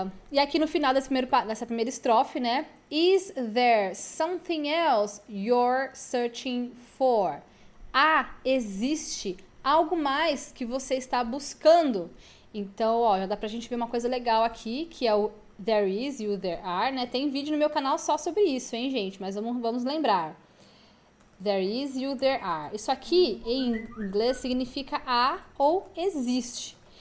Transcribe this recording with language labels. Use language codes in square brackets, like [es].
[pt] E aqui no final dessa primeira estrofe, né? [en] Is there something else you're searching for? [pt] Ah, existe algo mais que você está buscando? Então, ó, já dá pra gente ver uma coisa legal aqui, que é o there is e o there are, né? Tem vídeo no meu canal só sobre isso, hein, gente? Mas vamos lembrar. There is e o there are. Isso aqui em inglês significa há ou existe.